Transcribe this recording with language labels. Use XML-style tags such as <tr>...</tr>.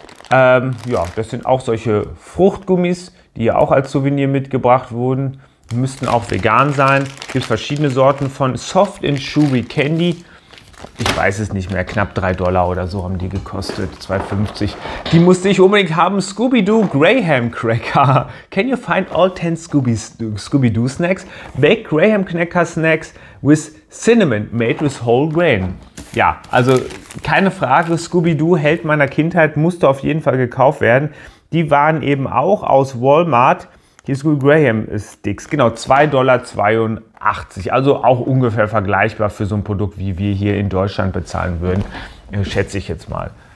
<de>Ja, das sind auch solche Fruchtgummis, die ja auch als Souvenir mitgebracht wurden. Müssten auch vegan sein. Gibt verschiedene Sorten von Soft and Chewy Candy. Ich weiß es nicht mehr, knapp 3 Dollar oder so haben die gekostet, 2,50. Die musste ich unbedingt haben, Scooby-Doo Graham Cracker.</de> <en>Can you find all 10 Scooby-Doo Snacks? Baked Graham Cracker Snacks with Cinnamon, made with whole grain.</en> <de>Ja, also keine Frage, Scooby-Doo, Held meiner Kindheit, musste auf jeden Fall gekauft werden. Die waren eben auch aus Walmart. Hier ist Graham Sticks, genau, 2,82 Dollar, also auch ungefähr vergleichbar für so ein Produkt, wie wir hier in Deutschland bezahlen würden, schätze ich jetzt mal.</de>